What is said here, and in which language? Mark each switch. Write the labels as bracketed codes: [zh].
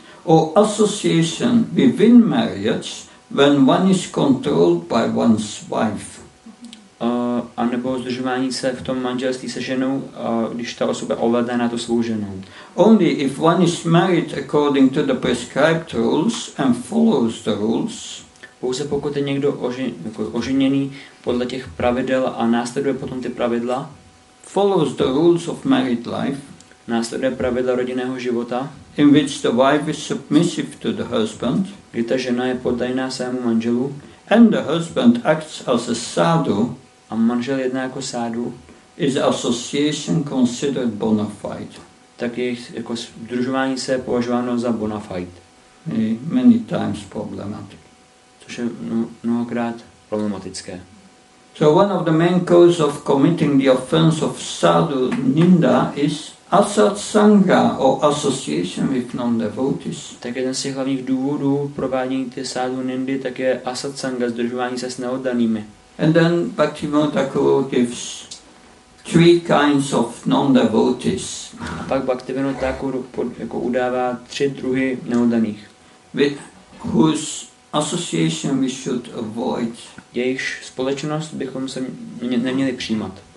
[en] Or association within marriage when one is controlled by one's wife. [cs] A nebo združování se v tom manželství se ženou, když ta osoba ovládá tu svou ženu. [en] Only if one is married according to the prescribed rules and follows the rules. [cs] Pouze pokud je někdo oženěný podle těch pravidel a následuje potom ty pravidla. [en] Follows the rules of married life. [cs] Následuje pravidla rodinného života. [en] In which the wife is submissive to the husband. [cs] Kdy ta žena je poddajná svému manželu. [en] And the husband acts as a sadhu. [cs] A manžel jedná jako sádhu. [en] Is association considered bona fide? [cs] Tak je jako združování se považováno za bona fide. [en] Many times problematic. [cs] Což je mnohokrát problematické. [en] So one of the main causes of committing the offense of sadhu ninda is asatsanga or association with non-devotees. [cs] Tak jeden z těch hlavních důvodů provádění ty sádhu nindy tak je asatsanga, združování se s neoddanými. [en] And then Bhaktivinoda Thakur gives three kinds of non-devotees. [cs] A pak Bhaktivinoda Thakur jako udává tři druhy neoddaných. [en] With whose association we should avoid. [cs] Jejichž společnost bychom se neměli přijímat.